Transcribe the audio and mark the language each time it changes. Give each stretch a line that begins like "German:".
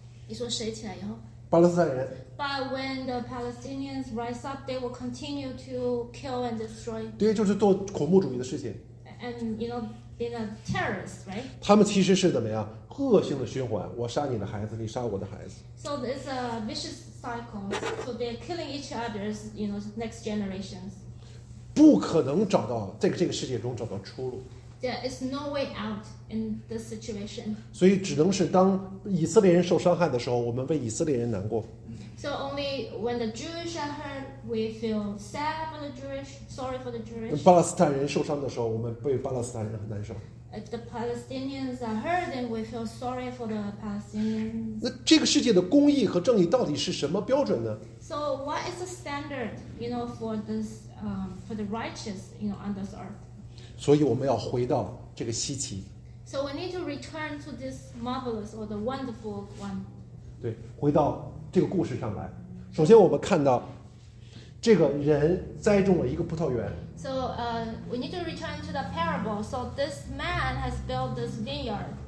Chinese: 你说谁起来以后？巴勒斯坦人。
English: But when the Palestinians rise up, they will continue to kill and destroy.
Chinese: 对，就是做恐怖主义的事情。
English: And you know. Being a terrorist, right?
Chinese: 他们其实是怎么样恶性的循环，我杀你的孩子，你杀我的孩子。
English: So it's a vicious cycle. So they're killing each other, you know, next generations.
Chinese: 不可能找到在这个世界中找到出路。
English: There is no way out in this situation.
Chinese: 所以只能是当以色列人受伤害的时候，我们为以色列人难过。
English: So only when the Jewish are hurt, we feel sad for the Jewish.
Chinese: 巴勒斯坦人受伤的时候，我们被巴勒斯坦人很难受。
English: If the Palestinians are hurt, then we feel sorry for the Palestinians.
Chinese: 那这个世界的公义和正义到底是什么标准呢
English: ？So what is the standard, you know, for this, for the righteous, you know, on this earth?
Chinese: 所以我们要回到这个稀奇。
English: So we need to return to this marvelous or the wonderful one.
Chinese: 对，回到这个故事上来。首先，我们看到。这个人栽种了一个葡萄园。
English: So, we need to return to the parable. So, this man has built this vineyard.